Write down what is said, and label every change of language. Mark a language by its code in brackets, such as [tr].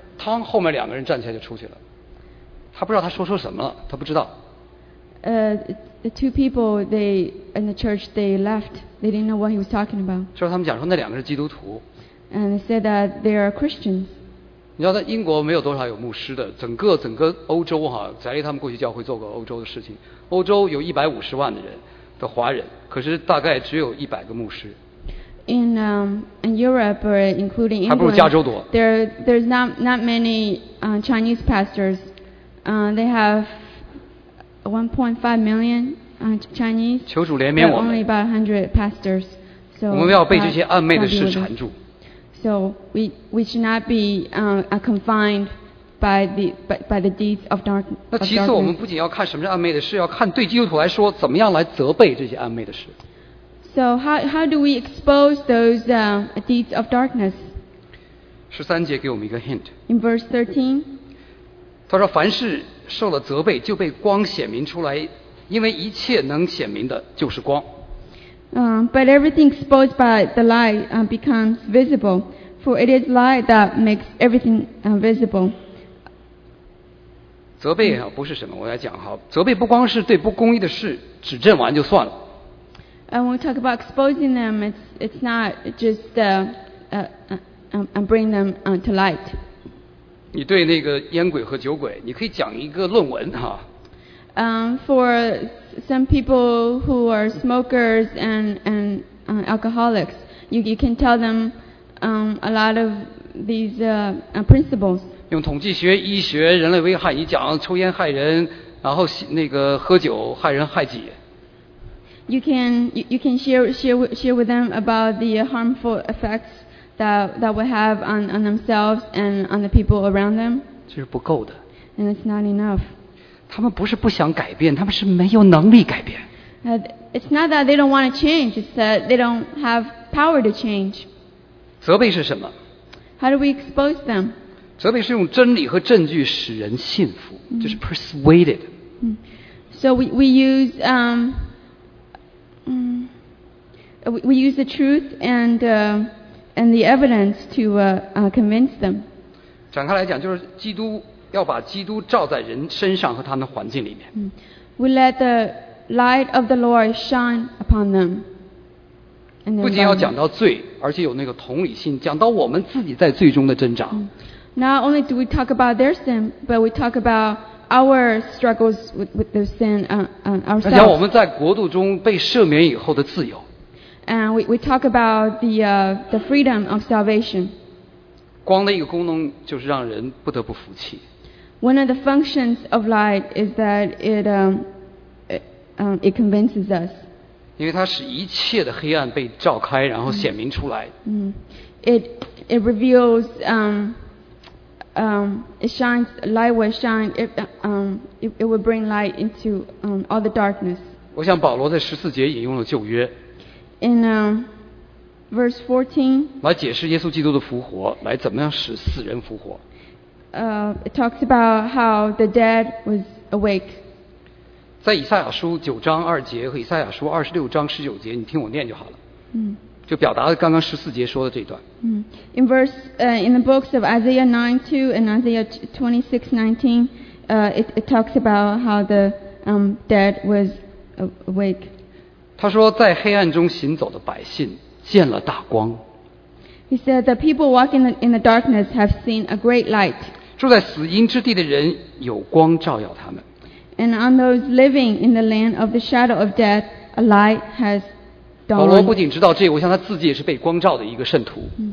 [zh] Tom 后面两个人站起来就出去了。他不知道他说什么了，他不知道。 [en] The two people they in the church they left. They didn't know what he was talking about. [zh] 说他们讲说那两个是基督徒。 [en] And they said that they are Christians. [zh] 你知道在英国没有多少有牧师的，整个欧洲哈，翟丽他们过去教会做过欧洲的事情，欧洲有150万的人的华人，可是大概只有100个牧师。 [en] In Europe or including England, [zh] 还不如加州多。 [en] There's not many Chinese pastors. They have 1.5 million Chinese. [zh] 求主怜悯我们。 [en] Only about 100 pastors. So [zh] 我们要被这些暧昧的事缠住。 [en] So we should not be confined by the deeds of darkness. [zh] 那其次，我们不仅要看什么是暧昧的事，要看对基督徒来说，怎么样来责备这些暧昧的事。 [en] So how do we expose those deeds of darkness? [zh] 十三节给我们一个 [en] hint. In verse 13, [zh] 他说：“凡是受了责备，就被光显明出来，因为一切能显明的，就是光。” [en] But everything exposed by the light becomes visible, for it is light that makes everything visible. [zh] 责备啊，不是什么，我来讲哈。责备不光是对不公义的事指正完就算了。 [en] When we talk about exposing them, it's not just bring them to light. [zh] 你对那个烟鬼和酒鬼，你可以讲一个论文哈。 [en] For some people who are smokers and alcoholics, you can tell them a lot of these principles. [zh] 用统计学、医学、人类危害，你讲抽烟害人，然后那个喝酒害人害己。 [en] You can share with them about the harmful effects that will have on themselves and on the people around them. [zh] 这是不够的。 [en] And it's not enough. [zh] 他们不是不想改变，他们是没有能力改变。 [en] It's not that they don't want to change; it's that they don't have power to change. [zh] 责备是什么？ [en] How do we expose them? [zh] 责备是用真理和证据使人信服，就是 [en] persuaded。 So we use the truth and the evidence to convince them. [zh] 展开来讲，就是基督要把基督照在人身上和他们的环境里面。 [en] We let the light of the Lord shine upon them. [zh] 不仅要讲到罪，而且有那个同理心，讲到我们自己在罪中的挣扎。 [en] Not only do we talk about their sin, but we talk about our struggles with the sin ourselves. [zh] 而且我们在国度中被赦免以后的自由。 [en] And we talk about the freedom of salvation. [zh] 光的一个功能就是让人不得不服气。 [en] One of the functions of light is that it convinces us. [zh] 因为它使一切的黑暗被照开，然后显明出来。 [en] It reveals it shines light will shine it will bring light into all the darkness. [zh] 我想保罗在十四节引用了旧约。 [en] In verse 14. [zh] 来解释耶稣基督的复活，来怎么样使死人复活。 [en] It talks about how the dead was awake. [zh] 在以赛亚书九章二节和以赛亚书二十六章十九节，你听我念就好了。就表达了刚刚十四节说的这一段。 [en] In in the books of Isaiah 9:2 and Isaiah 26:19, it talks about how the dead was awake. [zh] 他说，在黑暗中行走的百姓见了大光。 [en] He said the people walking in the darkness have seen a great light. [zh] 住在死荫之地的人有光照耀他们。 [en] And on those living in the land of the shadow of death, a light has. [zh] 保罗不仅知道这个，我想他自己也是被光照的一个圣徒。